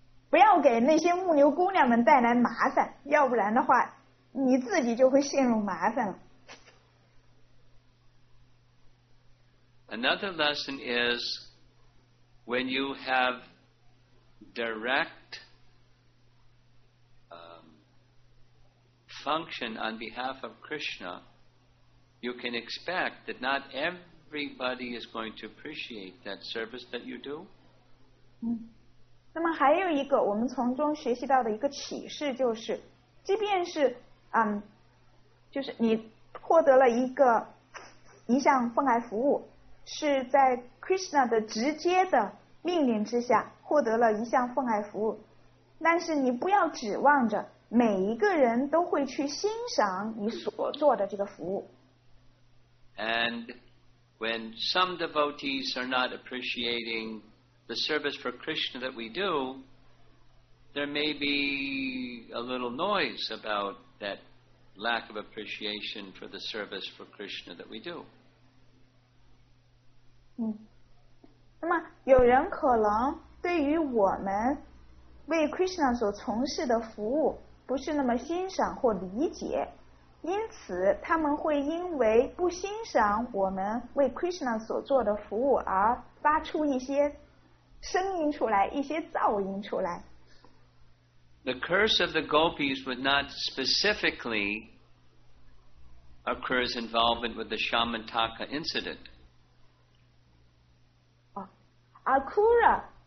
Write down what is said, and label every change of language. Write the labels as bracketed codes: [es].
[zh] 不要给那些牧牛姑娘们带来麻烦，要不然的话，你自己就会陷入麻烦了。 [en] Another lesson is when you have direct function on behalf of Krishna, you can expect that not everybody is going to appreciate that service that you do. [zh] 那么还有一个我们从中学习到的一个启示就是，即便是就是你获得了一项奉爱服务，是在 Krishna 的直接的命令之下获得了一项奉爱服务，但是你不要指望着每一个人都会去欣赏你所做的这个服务。 [en] And when some devotees are not appreciating the service for Krishna that we do, there may be a little noise about that lack of appreciation for the service for Krishna that we do. [zh] 那么有人可能对于我们为 Krishna 所从事的服务不是那么欣赏或理解，因此他们会因为不欣赏我们为 Krishna 所做的服务而发出一些声音出来，一些噪音出来。 [en] The curse of the gopis would not specifically occur as involvement with the Shamantaka incident. Akura.